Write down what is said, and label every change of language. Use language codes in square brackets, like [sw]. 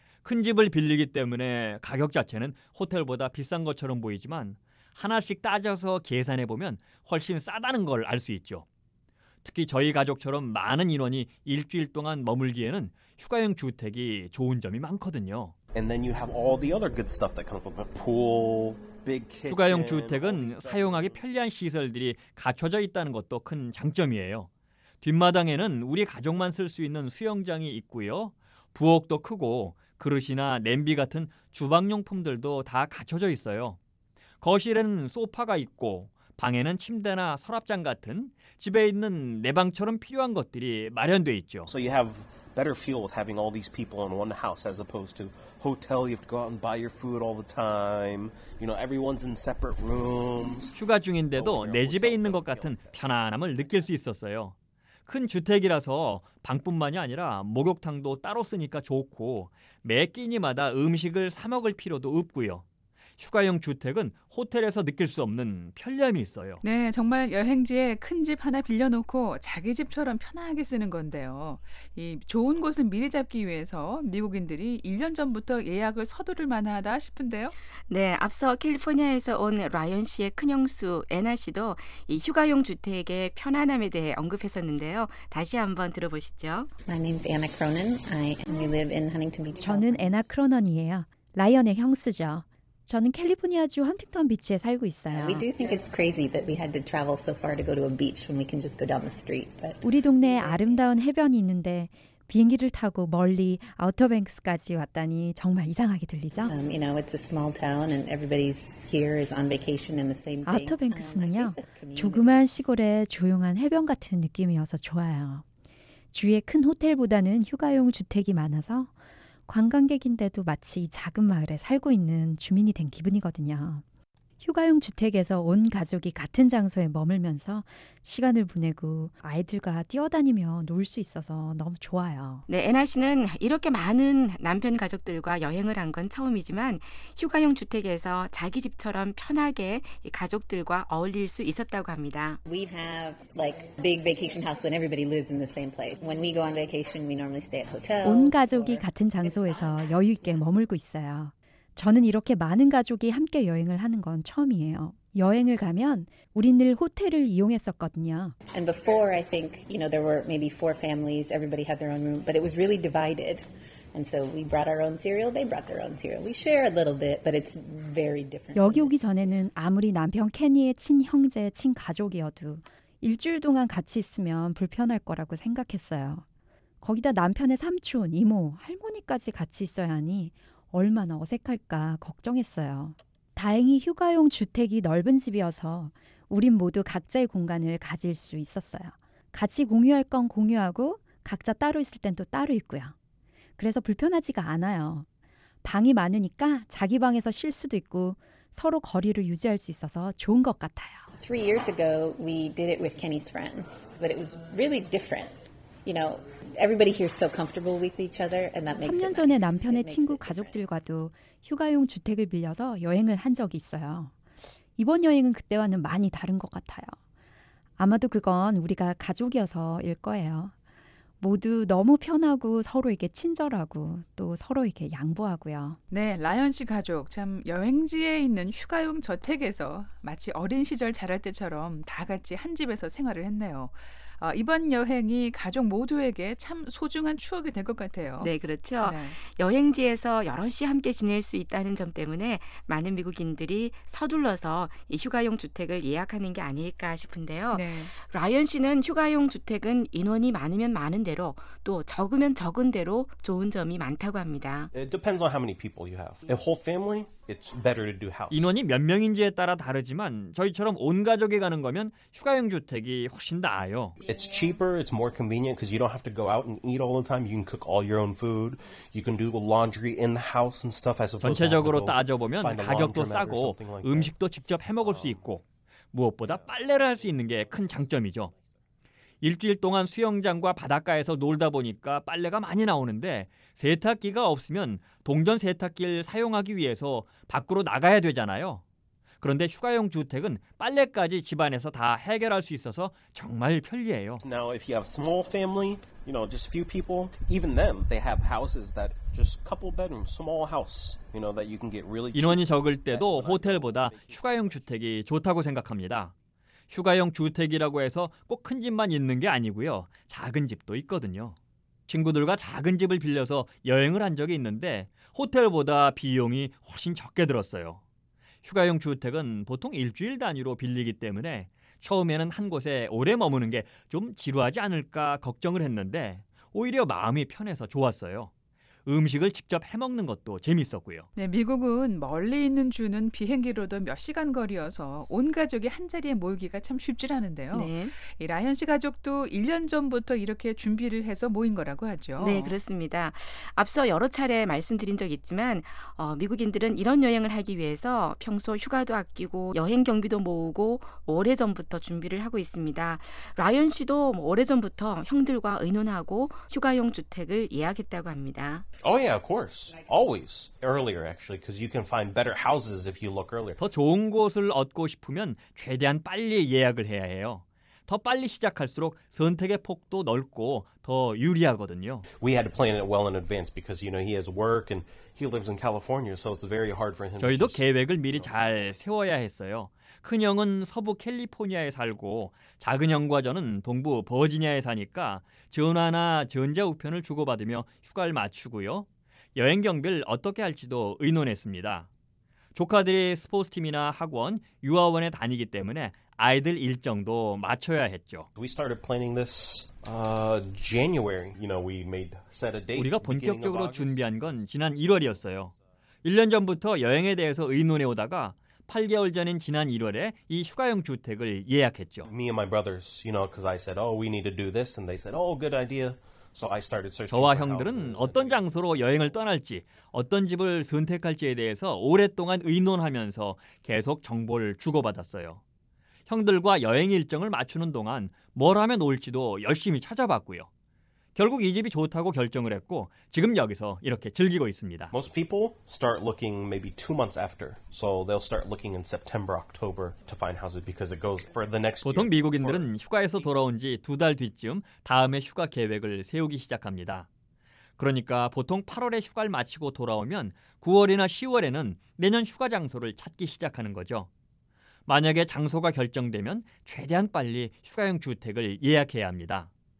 [ko] 큰 집을 빌리기 때문에 가격 자체는 호텔보다 비싼 것처럼 보이지만 하나씩 따져서 계산해 보면 훨씬 싸다는 걸 알 수 있죠. 특히 저희 가족처럼 많은 인원이 일주일 동안 머물기에는 휴가용 주택이 좋은 점이 많거든요. [en] And then you have all the other good stuff that comes with a pool, big kitchen. [ko] 휴가용 주택은 사용하기 편리한 시설들이 갖춰져 있다는 것도 큰 장점이에요. 뒷마당에는 우리 가족만 쓸 수 있는 수영장이 있고요. 부엌도 크고 그릇이나 냄비 같은 주방용품들도 다 갖춰져 있어요. 거실에는 소파가 있고 방에는 침대나 서랍장 같은 집에 있는 내 방처럼 필요한 것들이 마련돼 있죠. [en] So you have better feel with having all these people in one house as opposed to hotel. You have to go out and buy your food all the time. You know, everyone's in separate rooms. [ko] 휴가 중인데도 내 집에 있는 것 같은 편안함을 느낄 수 있었어요. 큰 주택이라서 방뿐만이 아니라 목욕탕도 따로 쓰니까 좋고 매 끼니마다 음식을 사 먹을 필요도 없고요. 휴가용 주택은 호텔에서 느낄 수 없는 편리함이 있어요. 네, 정말 여행지에 큰 집 하나 빌려놓고 자기 집처럼 편하게 쓰는 건데요. 이 좋은 곳을 미리 잡기 위해서 미국인들이 1년 전부터 예약을 서두를 만하다 싶은데요. 네, 앞서 캘리포니아에서 온 라이언 씨의 큰형수 애나 씨도 이 휴가용 주택의 편안함에 대해 언급했었는데요. 다시 한번 들어보시죠. [en] My name is Anna Cronin. We live in Huntington Beach. [ko] 저는 애나 크로넌이에요. 라이언의 형수죠. 저는 캘리포니아주 헌팅턴 비치에 살고 있어요. [en] We do think it's crazy that we had to travel so far to go to a beach when we can just go down the street. But [ko] 우리 동네에 아름다운 해변이 있는데 비행기를 타고 멀리 아우터뱅크스까지 왔다니 정말 이상하게 들리죠? [en] You know, it's a small town and everybody's here is on vacation in the same thing. [ko] 아우터뱅크스는요. 조그만 시골의 조용한 해변 같은 느낌이어서 좋아요. 주위에 큰 호텔보다는 휴가용 주택이 많아서 관광객인데도 마치 이 작은 마을에 살고 있는 주민이 된 기분이거든요. 휴가용 주택에서 온 가족이 같은 장소에 머물면서 시간을 보내고 아이들과 뛰어다니며 놀 수 있어서 너무 좋아요. 네, 애나 씨는 이렇게 많은 남편 가족들과 여행을 한 건 처음이지만 휴가용 주택에서 자기 집처럼 편하게 가족들과 어울릴 수 있었다고 합니다. [en] We have like big vacation house when everybody lives in the same place. When we go on vacation, we normally stay at hotels. [ko] 온 가족이 같은 장소에서 여유 있게 머물고 있어요. 저는 이렇게 많은 가족이 함께 여행을 하는 건 처음이에요. 여행을 가면 우린 늘 호텔을 이용했었거든요. [en] And before I think, you know, there were maybe four families. Everybody had their own room, but it was really divided. And so we brought our own cereal, they brought their own cereal. We share a little bit, but it's very different. [ko] 여기 오기 전에는 아무리 남편 케니의 친형제, 친가족이어도 일주일 동안 같이 있으면 불편할 거라고 생각했어요. 거기다 남편의 삼촌, 이모, 할머니까지 같이 있어야 하니 얼마나 어색할까 걱정했어요. 다행히 휴가용 주택이 넓은 집이어서 우린 모두 각자의 공간을 가질 수 있었어요. 같이 공유할 건 공유하고 각자 따로 있을 땐 또 따로 있고요. 그래서 불편하지가 않아요. 방이 많으니까 자기 방에서 쉴 수도 있고 서로 거리를 유지할 수 있어서 좋은 것 같아요. [en] Three years ago, we did it with Kenny's friends, but it was really different. You know, everybody here is so comfortable with each other, and that makes. [ko] 3년 전에 남편의 친구 가족들과도 휴가용 주택을 빌려서 여행을 한 적이 있어요. 이번 여행은 그때와는 많이 다른 것 같아요. 아마도 그건 우리가 가족이어서일 거예요. 모두 너무 편하고 서로에게 친절하고 또 서로에게 양보하고요. 네, 라현 씨 가족 참 여행지에 있는 휴가용 저택에서 마치 어린 시절 자랄 때처럼 다 같이 한 집에서 생활을 했네요. 이번 여행이 가족 모두에게 참 소중한 추억이 될 것 같아요. 네, 그렇죠. 네. 여행지에서 여럿이 함께 지낼 수 있다는 점 때문에 많은 미국인들이 서둘러서 이 휴가용 주택을 예약하는 게 아닐까 싶은데요. 네. 라이언 씨는 휴가용 주택은 인원이 많으면 많은 대로 또 적으면 적은 대로 좋은 점이 많다고 합니다. [en] It depends on how many people you have. A whole family? It's better to do house. [ko] 인원이 몇 명인지에 따라 다르지만 저희처럼 온 가족이 가는 거면 휴가용 주택이 훨씬 나아요. [en] It's cheaper, it's more convenient because you don't have to go out and eat all the time. You can cook all your own food. You can do the laundry in the house and stuff as opposed to [ko] 전체적으로 따져 보면 가격도 싸고 음식도 직접 해 먹을 수 있고 무엇보다 빨래를 할 수 있는 게 큰 장점이죠. 일주일 동안 수영장과 바닷가에서 놀다 보니까 빨래가 많이 나오는데 세탁기가 없으면 동전 세탁기를 사용하기 위해서 밖으로 나가야 되잖아요. 그런데 휴가용 주택은 빨래까지 집안에서 다 해결할 수 있어서 정말 편리해요. [en] Now if you have small family, you know, just a few people, even them, they have houses that just couple bedroom small house, you know, that you can get really [ko] 인원이 적을 때도 호텔보다 휴가용 주택이 좋다고 생각합니다. 휴가용 주택이라고 해서 꼭 큰 집만 있는 게 아니고요. 작은 집도 있거든요. 친구들과 작은 집을 빌려서 여행을 한 적이 있는데 호텔보다 비용이 훨씬 적게 들었어요. 휴가용 주택은 보통 일주일 단위로 빌리기 때문에 처음에는 한 곳에 오래 머무는 게 좀 지루하지 않을까 걱정을 했는데 오히려 마음이 편해서 좋았어요. 음식을 직접 해먹는 것도 재밌었고요. 네, 미국은 멀리 있는 주는 비행기로도 몇 시간 거리여서 온 가족이 한 자리에 모이기가 참 쉽지 않은데요. 네. 이 라현 씨 가족도 1년 전부터 이렇게 준비를 해서 모인 거라고 하죠. 네, 그렇습니다. 앞서 여러 차례 말씀드린 적 있지만 미국인들은 이런 여행을 하기 위해서 평소 휴가도 아끼고 여행 경비도 모으고 오래전부터 준비를 하고 있습니다. 라현 씨도 오래전부터 형들과 의논하고 휴가용 주택을 예약했다고 합니다. [en] Oh yeah, of course. Always earlier actually because you can find better houses if you look earlier. [ko] 더 좋은 곳을 얻고 싶으면 최대한 빨리 예약을 해야 해요. 더 빨리 시작할수록 선택의 폭도 넓고 더 유리하거든요. [en] We had to plan it well in advance because you know he has work and he lives in California so it's very hard for him. [ko] 저희도 계획을 미리 잘 세워야 했어요. 큰 형은 서부 캘리포니아에 살고 작은 형과 저는 동부 버지니아에 사니까 전화나 전자우편을 주고받으며 휴가를 맞추고요. 여행 경비를 어떻게 할지도 의논했습니다. 조카들이 스포츠팀이나 학원, 유아원에 다니기 때문에 아이들 일정도 맞춰야 했죠. [en] We started planning this January. You know, we made set a date. [ko] 우리가 본격적으로 준비한 건 지난 1월이었어요. 1년 전부터 여행에 대해서 의논해 오다가 8개월 전인 지난 1월에 이 휴가용 주택을 예약했죠. [en] Me and my brothers, you know, because I said, oh, we need to do this, and they said, oh, good idea. So I started searching. [ko] 저와 형들은 어떤 장소로 여행을 떠날지, 어떤 집을 선택할지에 대해서 오랫동안 의논하면서 계속 정보를 주고받았어요. 형들과 여행 일정을 맞추는 동안 뭘 하면 올지도 열심히 찾아봤고요. 결국 이 집이 좋다고 결정을 했고 지금 여기서 이렇게 즐기고 있습니다. [en] Most people start looking maybe two months after. So they'll start looking in September, October to find houses because it goes for the next year. [ko] 보통 미국인들은 휴가에서 돌아온 지 두 달 뒤쯤 다음에 휴가 계획을 세우기 시작합니다. 그러니까 보통 8월에 휴가를 마치고 돌아오면 9월이나 10월에는 내년 휴가 장소를 찾기 시작하는 거죠. 만약에 장소가 결정되면 최대한 빨리 휴가용 주택을 예약해야 합니다.